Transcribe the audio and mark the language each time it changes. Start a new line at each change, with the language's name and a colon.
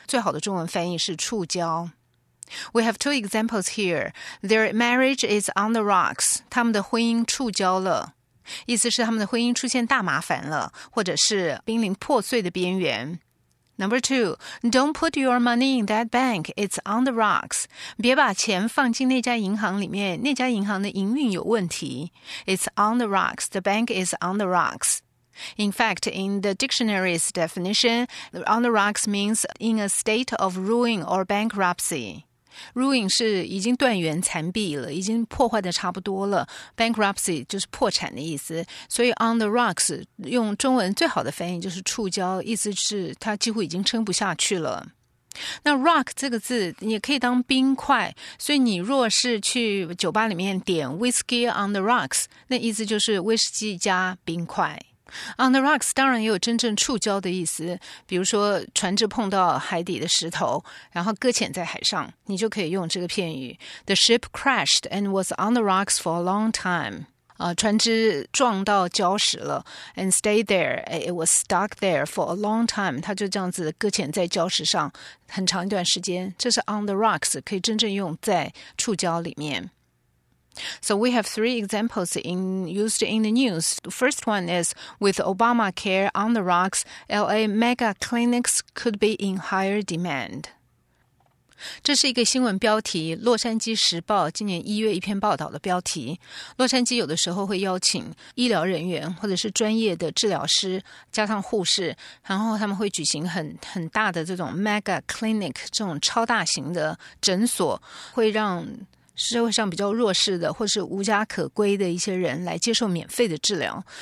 Chinese: 最好的中文翻译是触礁。
English: We have two examples here. Their marriage is on the rocks.
Chinese: 他们的婚姻触礁了。意思是他们的婚姻出现大麻烦了或者是濒临破碎的边缘。
English: Number two, don't put your money in that bank. It's on the rocks.
Chinese: 别把钱放进那家银行里面，那家银行的营运有问题。
English: It's on the rocks. The bank is on the rocks. In fact, in the dictionary's definition, on the rocks means in a state of ruin or bankruptcy.
Chinese: Ruin 是已经断垣残壁了，已经破坏的差不多了。 Bankruptcy 就是破产的意思。所以 on the rocks 用中文最好的翻译就是触礁，意思是它几乎已经撑不下去了。那 rock 这个字也可以当冰块，所以你若是去酒吧里面点 whiskey on the rocks， 那意思就是威士忌加冰块。 On the rocks 当然也有真正触礁的意思，比如说船只碰到海底的石头，然后搁浅在海上，你就可以用这个片语。
English: The ship crashed and was on the rocks for a long time.
Chinese: 船只撞到礁石了
English: and stayed there. It was stuck there for a long time.
Chinese: 它就这样子搁浅在礁石上很长一段时间。这是 on the rocks 可以真正用在触礁里面。
English: So we have three examples used in the news. The first one is, with Obamacare on the rocks, LA mega clinics could be in higher demand.
Chinese: 这是一个新闻标题，《洛杉矶时报》今年一月一篇报道的标题。洛杉矶有的时候会邀请医疗人员或者是专业的治疗师加上护士，然后他们会举行很大的这种 mega clinic， 这种超大型的诊所，会让社会上比较弱势的或是无家可归的一些人来接受免费的治疗。